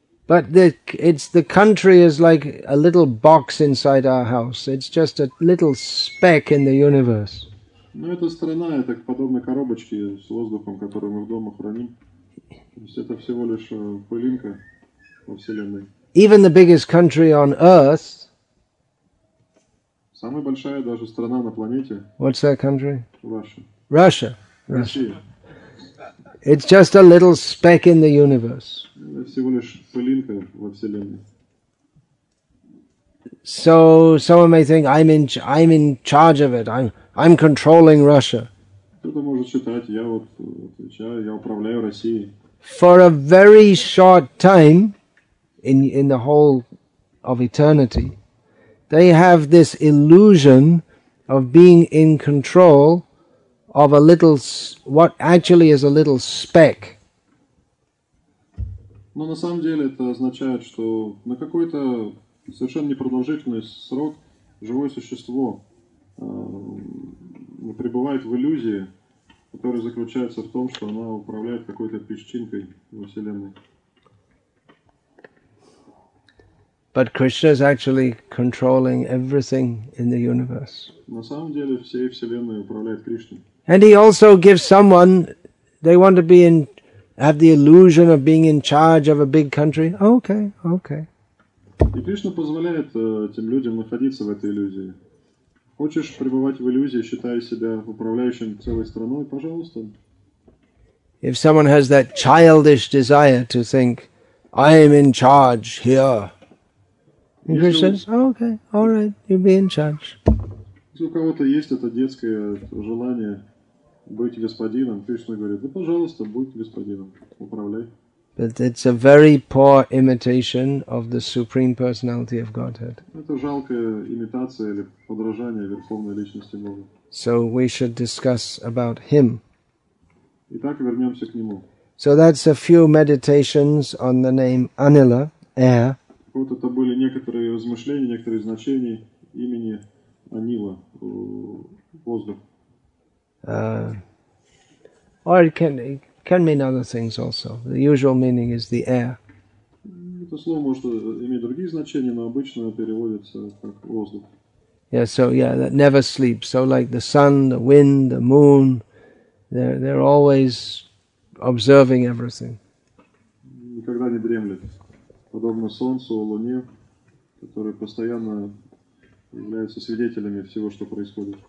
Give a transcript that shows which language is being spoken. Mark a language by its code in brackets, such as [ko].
[en] But the country is like a little box inside our house. It's just a little speck in the universe. [ru] Но эта страна, это подобно коробочке с воздухом, которую мы в дома храним. То есть это всего лишь пылинка во Вселенной. [en] Even the biggest country on Earth. [ru] Самая большая даже страна на планете. [en] What's that country? Russia. Russia. [ru] Россия. [en] It's just a little speck in the universe. [ru] Это всего лишь пылинка во Вселенной. [en] So someone may think, I'm in charge of it. I'm controlling Russia. [ru] Кто-то может считать, я вот отвечаю, я управляю Россией. [en] For a very short time, in the whole of eternity, they have this illusion of being in control of a little, what actually is a little speck. [ru] Но на самом деле это означает, что на какой-то совершенно непродолжительный срок живое существо пребывает в иллюзии, которая заключается в том, что она управляет какой-то песчинкой во Вселенной. [en] But Krishna is actually controlling everything in the universe. [ru] На самом деле всей Вселенной управляет Кришна. [en] And he also gives someone, they want to be in, have the illusion of being in charge of a big country. Okay, okay. [ru] И Кришна позволяет тем людям находиться в этой иллюзии. Хочешь пребывать в иллюзии, считая себя управляющим целой страной, пожалуйста. [en] If someone has that childish desire to think, I am in charge here. And Krishna says, oh, okay, all right, you be in charge. [ru] Если у кого-то есть это детское желание быть господином, Кришна говорит, да пожалуйста, будь господином, управляй. [en] But it's a very poor imitation of the Supreme Personality of Godhead. [ru] Это жалкая имитация или подражание Верховной Личности Бога. [en] So we should discuss about him. [ru] Итак, вернемся к нему. [en] So that's a few meditations on the name Anila, air. [ru] Вот это были некоторые размышления, некоторые значения имени Анила, воздух. [en] Or it can mean other things also. The usual meaning is the air. [ru] Это слово может иметь другие значения, но обычно переводится как воздух. [en] Yeah, that never sleeps. So like the sun, the wind, the moon, they're always observing everything. [ru] Никогда не дремлет. Подобно солнцу, луне, которые постоянно являются свидетелями всего, что происходит.